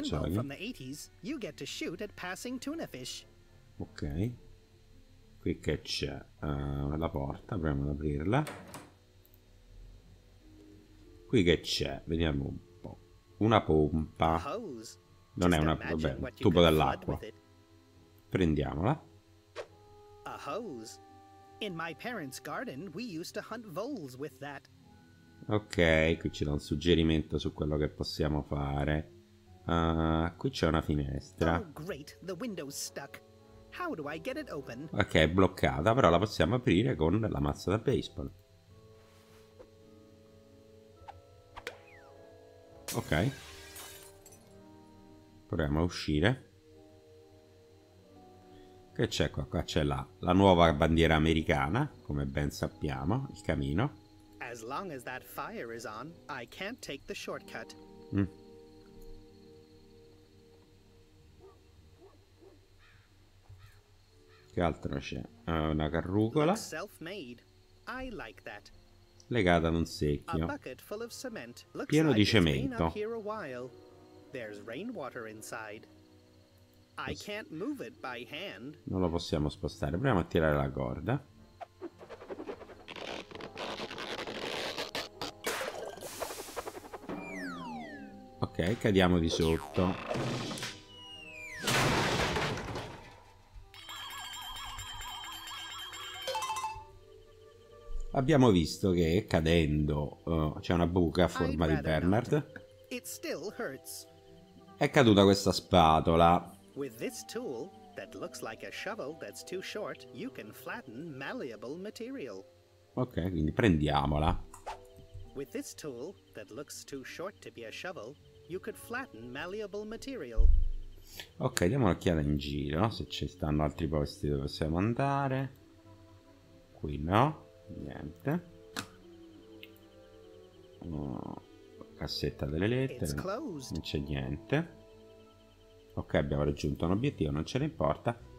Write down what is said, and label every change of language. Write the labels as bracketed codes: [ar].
[en] In this pinball from the 80s, you get to shoot at passing tuna fish. Okay. [it] Qui che c'è la porta, proviamo ad aprirla. Qui che c'è? Vediamo un po'. Una pompa. [en] Hose. [it] Non è una, vabbè, un tubo dell'acqua. Prendiamola. [en] A hose. In my parents' garden we used to hunt voles with that. [it] Ok, qui ci dà un suggerimento su quello che possiamo fare. Qui c'è una finestra. [en] Oh, great, the window's stuck. How do I get it open? [it] Ok, è bloccata, però la possiamo aprire con la mazza da baseball. Ok. Proviamo a uscire. Che c'è qua? Qua c'è la nuova bandiera americana, come ben sappiamo, il camino. [en] As long as that fire is on, I can't take the shortcut. [it] Che altro c'è? Una carrucola. [en] Looks self-made. I like that. [it] Legata ad un secchio. [en] A bucket full of cement. [it] Looks pieno di cemento. [en] There's rainwater inside. I can't move it by hand. [it] Non lo possiamo spostare. Proviamo a tirare la corda. Ok, cadiamo di sotto. Abbiamo visto che cadendo c'è una buca a forma di Bernard. [en] It still hurts. [it] È caduta questa spatola. [en] With this tool that looks like a shovel that's too short, you can flatten malleable material. [it] Ok, quindi prendiamola. [en] With this tool that looks too short to be a shovel, you could flatten malleable material. [it] Ok, diamo un'occhiata in giro se ci stanno altri posti dove possiamo andare. Qui no, niente. Cassetta delle lettere. Non c'è niente. Ok, abbiamo raggiunto un obiettivo, non ce ne importa.